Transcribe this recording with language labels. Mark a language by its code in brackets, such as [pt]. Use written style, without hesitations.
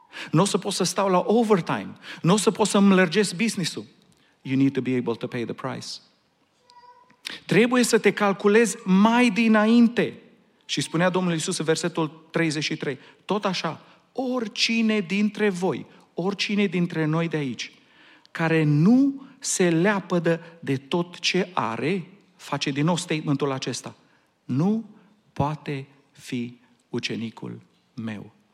[ro] Nu o să pot să stau la overtime, nu o să pot să-mi lărgesc business-ul. [en] You need to be able to pay the price. [ro] Trebuie să te calculezi mai dinainte. Și spunea Domnul Iisus în versetul 33, tot așa, oricine dintre voi, oricine dintre noi de aici, care nu se leapădă de tot ce are, face din nou statementul acesta, nu poate fi ucenicul meu.